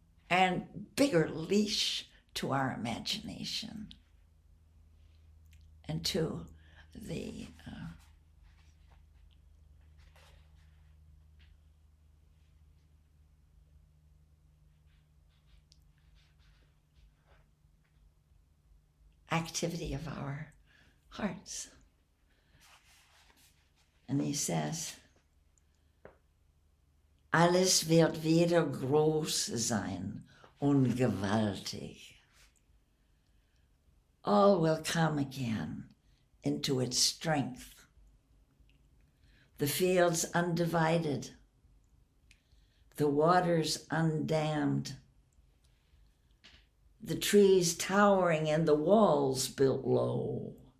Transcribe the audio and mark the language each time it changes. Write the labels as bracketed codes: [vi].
[en] And bigger leash to our imagination and to the activity of our hearts. [de] And he says, alles wird wieder groß sein und gewaltig. [en] All will come again into its strength. The fields undivided, the waters undammed, the trees towering and the walls built low.